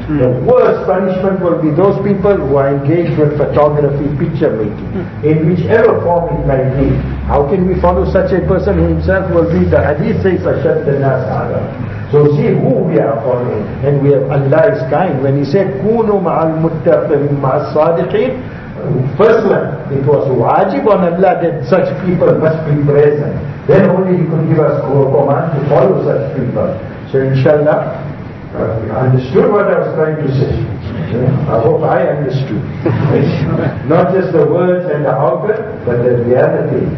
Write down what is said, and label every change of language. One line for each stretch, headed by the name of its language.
English: The worst punishment will be those people who are engaged with photography, picture making, in whichever form it may be. How can we follow such a person who himself will be the hadith says,
Arabic: أَشَدَّ النَّاسِ عَذَابًا.
English: So see who we are following. And we have Allah is kind. When he said,
Arabic: كُونُوا مَعَ الْمُتَّقِينَ مَعَ الصَّادِقِينَ,
English: first one, it was wajib on Allah that such people must be present. Then only he could give us a command to follow such people. So inshallah, understood what I was trying to say. I hope I understood. Not just the words and the outer, but the reality.